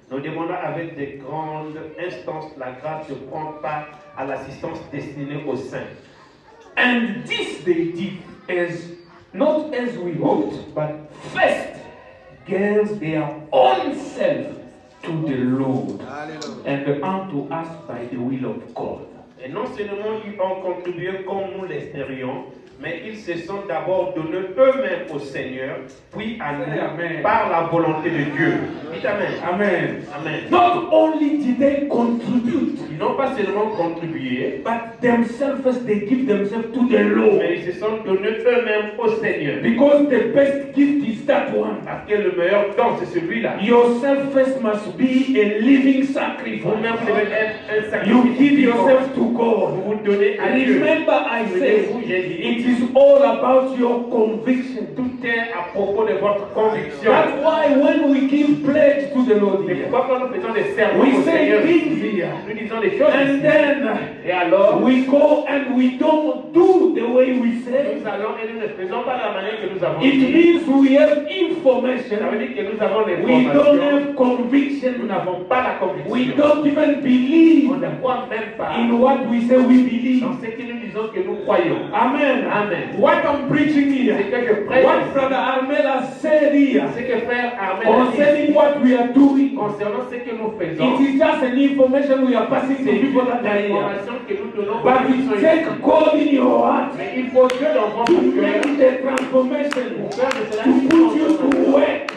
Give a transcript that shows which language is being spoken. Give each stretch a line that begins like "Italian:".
French: Nous demandons avec de grandes instances la grâce de prendre part à l'assistance destinée aux saints.
English: And this they did as not as we hoped, but first gave their own self to the Lord and unto us by the will of God.
French: Et non seulement ils ont contribué comme nous l'espérions, mais ils se sont d'abord donnés eux-mêmes au Seigneur, puis à nous, amen, par la volonté de Dieu. Amen. Amen.
English: Amen. Not only did they contribute,
French: ils n'ont pas seulement contribué,
English: but themselves, they give themselves to the Lord.
French: Mais ils se sont donnés eux-mêmes au Seigneur.
English: Because the best gift is that one.
French: Parce que le meilleur don, c'est celui-là.
English: Yourself first must be a living sacrifice.
French: Vous-même devez être un sacrifice.
English: You give yourself to God.
French: Vous vous donnez à Dieu.
English: Remember, I said, it is all about your conviction.
French: Tout est à propos de votre conviction.
English: That's why when we give pledge to the Lord,
French: mais pourquoi quand nous faisons des serments,
English: we say things here.
French: Nous disons des choses.
English: And then,
French: et alors,
English: we go and we don't do the way we say.
French: Nous allons et nous ne faisons pas la manière que nous avons.
English: It means we have information.
French: Ça veut dire que nous avons des
English: informations. We don't have conviction.
French: Nous n'avons pas la conviction.
English: We don't even believe.
French: On ne croit même pas.
English: In what we say, we believe.
French: Dans ce que nous disons que nous croyons.
English: Amen.
French: Amen.
English: What I'm preaching here, what Brother Armel has said here, concerning what we are doing,
French: concernant ce que nous faisons,
English: it is just an information we are passing to people that are here. But we take God in your heart to make the transformation, to put you to work.